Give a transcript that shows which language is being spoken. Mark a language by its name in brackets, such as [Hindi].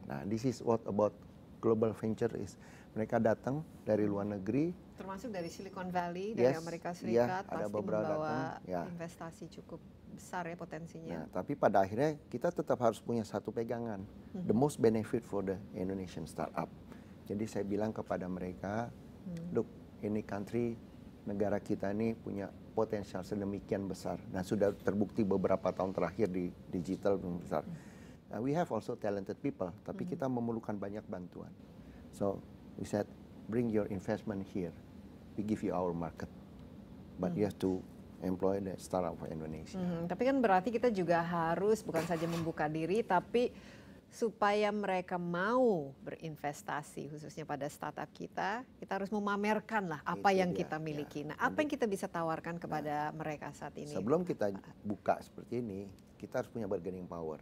[English] Nah, this is what about Global Venture is. [Indonesian] Mereka datang dari luar negeri. Termasuk dari Silicon Valley, dari Amerika Serikat, ada pasti beberapa membawa datang, investasi cukup besar ya potensinya. Nah, tapi pada akhirnya kita tetap harus punya satu pegangan, [English] the most benefit for the Indonesian startup. [Indonesian] Jadi saya bilang kepada mereka, [English] look, [Indonesian] ini country, negara kita ini punya potensial sedemikian besar dan sudah terbukti beberapa tahun terakhir di digital besar. [English] We have also talented people, [Indonesian] tapi kita memerlukan banyak bantuan. [English] So we said, bring your investment here, we give you our market, but you have to employ the startup for Indonesia. [Indonesian] Tapi kan berarti kita juga harus bukan saja membuka diri, tapi supaya mereka mau berinvestasi khususnya pada startup kita, kita harus memamerkan lah apa yang kita miliki. Nah, apa yang kita bisa tawarkan kepada mereka saat ini? Sebelum kita buka seperti ini, kita harus punya bargaining power.